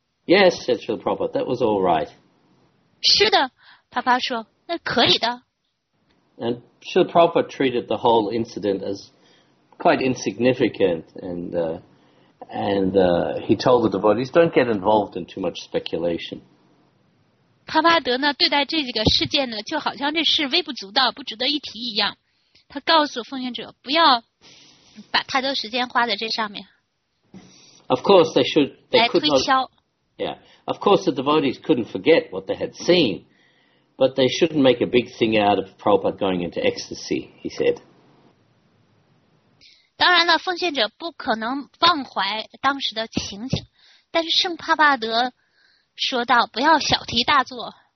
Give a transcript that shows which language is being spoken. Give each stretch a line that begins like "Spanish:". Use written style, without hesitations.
English: Yes, said Srila Prabhupada, that was all right.
Chinese: 是的，Papa 说，那可以的。
English: And Srila Prabhupada treated the whole incident as quite insignificant, and he told the devotees, don't get involved in too much speculation.
Chinese: 帕帕德呢，对待这几个事件呢，就好像这事微不足道，不值得一提一样。他告诉奉献者，不要把太多时间花在这上面。
English: Of course, they should. They could not.
Chinese: 来推敲。
English: Yeah, of course, the devotees couldn't forget what they had seen. But they shouldn't make a big thing out of Prabhupada going into ecstasy, he said.
Chinese: 当然了，奉献者不可能忘怀当时的情景，但是圣帕帕德说道，不要小题大做。